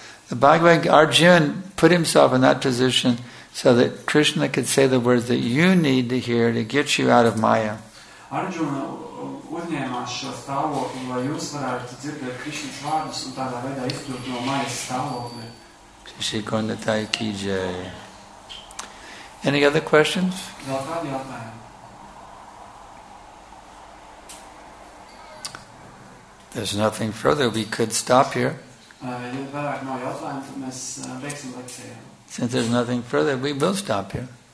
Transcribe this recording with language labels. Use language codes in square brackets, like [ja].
[en] The Bhagavad Gita, Arjuna put himself in that position so that Krishna could say the words that you need to hear to get you out of Maya. [lv] Arjuna uzņēmās šo stāvokli, lai jūs varētu dzirdēt Krišņas vārdus un tādā veidā izkļūt no mājas stāvokli. Šī konda tai kīdžēja. [en] Any other questions? [lv] Vēl kādi jautājumi? [en] There's nothing further. We could stop here. [lv] Ja vairāk nav jautājumi, tad mēs beigsim lekciju. [en] Since there's nothing further, we will stop here.